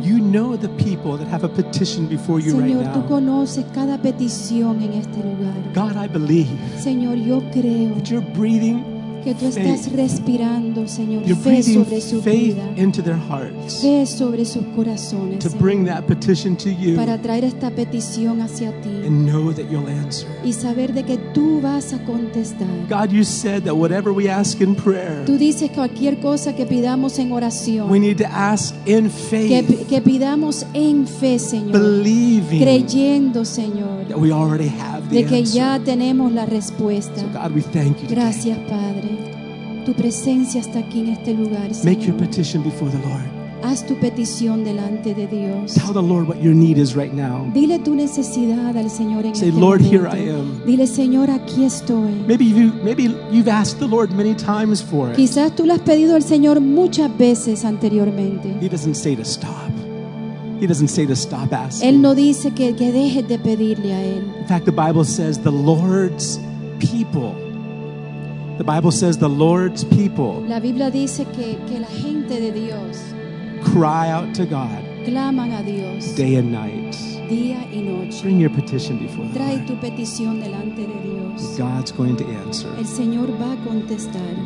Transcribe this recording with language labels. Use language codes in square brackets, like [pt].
[en] You know the people that have a petition before you [es] Señor, Señor, tú conoces cada petición en este lugar. [en] God, I believe. [es] Señor, yo creo. [en] That you're breathing. [es] Que tú estás respirando, Señor, [en] You're [es] fe sobre su [en] faith [es] vida. [en] Into their hearts [es] fe sobre sus corazones, [en] to bring that petition to you [es] para traer esta petición hacia ti [en] and know that you'll answer. [es] Y saber de que tú vas a contestar. [en] God, you said that whatever we ask in prayer, [es] tú dices cualquier cosa que pidamos en oración, [en] we need to ask in faith, [es] que pidamos en fe, Señor, [en] believing [es] creyendo, Señor, [en] that we already have the [es] de que [en] answer. [es] Ya tenemos la respuesta. [en] So, God, we thank you today. [es] Gracias, Padre. Tu presencia está aquí en este lugar, Señor. [en] Make your petition before the Lord. [es] Haz tu petición delante de Dios. [en] Tell the Lord what your need is right now. [es] Dile tu necesidad al Señor en [en] Say, [es] este [en] Lord, [es] momento. [en] Here I am. [es] Dile, Señor, aquí estoy. [en] Maybe you've asked the Lord many times for it. [es] Quizás tú lo has pedido al Señor muchas veces anteriormente. [en] He doesn't say to stop. He doesn't say to stop asking. [es] Él no dice que dejes de pedirle a él. [en] In fact, the Bible says the Lord's people. The Bible says the Lord's people. [es] La Biblia dice que la gente de Dios [en] cry out to God. [es] Claman a Dios. [en] Day and night. [es] Día y noche. [en] Bring your petition before [es] Trae [en] the Lord. [es] Tu petición delante de Dios. [en] God's going to answer. [es] El Señor va a contestar.